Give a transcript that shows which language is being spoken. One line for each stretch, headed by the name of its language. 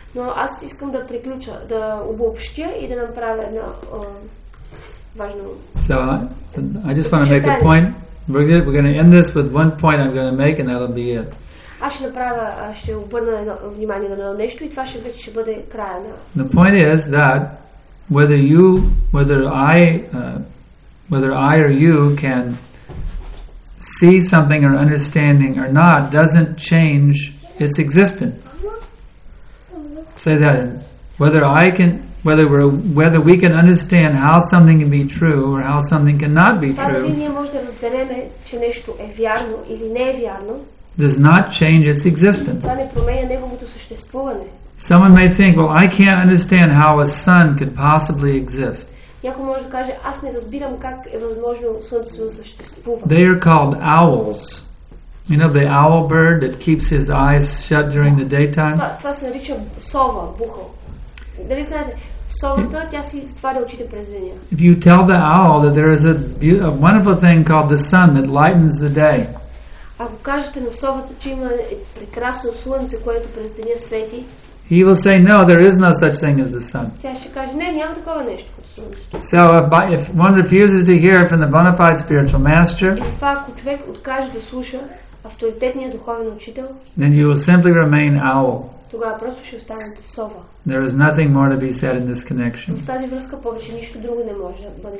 Bulgarian: Но аз искам да приключа, да обобщя и да направя едно важно.
English: So I just want to make a point. We're going to end this with one point I'm going to make, and that'll be it.
Bulgarian: Аз ще направя, ще обърна внимание на едно нещо и това ще бъде края на.
English: The point is that whether I or you can see something or understanding or not doesn't change its existence. Say that whether we can understand how something can be true or how something cannot be true.
Bulgarian: Ние можем да разбереме, че нещо е вярно или не е вярно.
English: Does not change its existence.
Bulgarian: Това не променя неговото съществуване.
English: Someone may think, well, I can't understand how a sun could possibly exist.
Bulgarian: Някой може да каже, аз не разбирам как е възможно слънцето да съществува.
English: They are called owls. You know the owl bird that keeps his eyes shut during the daytime?
Bulgarian: Това се нарича сова, бухал. Дали знаете, совата, тя си затваря очите през деня.
English: If you tell the owl that there is a wonderful thing called the sun that lightens the day.
Bulgarian: Ако кажете на совата, че има прекрасно слънце, което през деня свети,
English: he will say, no, there is no such thing as the sun.
Bulgarian: Тя ще каже, не, няма такова нещо като слънцето.
English: So if one refuses to hear from the bona fide spiritual master,
Bulgarian: и това, ако човек откаже да слуша, авторитетният духовен учител,
English: then you will simply remain owl.
Bulgarian: Тогава просто ще останете сова.
English: There is nothing more to be said in this connection.
Bulgarian: В тази връзка повече нищо друго не може да бъде.